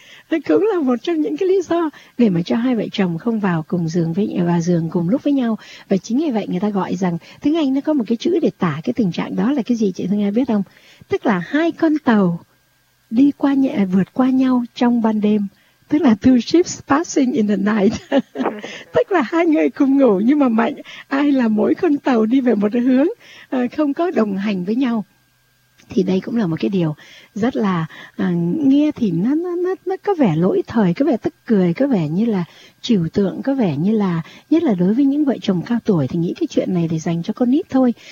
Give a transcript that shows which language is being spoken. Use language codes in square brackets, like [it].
[vi] Đó cũng là một trong những cái lý do để mà cho hai vợ chồng không vào cùng giường với nhau, vào giường cùng lúc với nhau. Và chính vì vậy người ta gọi rằng tiếng Anh nó có một cái chữ để tả cái tình trạng đó là cái gì, chị Thương Nga biết không? Tức là hai con tàu đi qua nhẹ, vượt qua nhau trong ban đêm. Tức là [en] two ships passing in the night. [vi] Tức là hai người cùng ngủ nhưng mà mạnh ai là mỗi con tàu đi về một hướng, không có đồng hành với nhau. Thì đây cũng là một cái điều rất là nghe thì nó có vẻ lỗi thời, có vẻ tức cười, có vẻ như là trừu tượng, có vẻ như là, nhất là đối với những vợ chồng cao tuổi thì nghĩ cái chuyện này để dành cho con nít thôi.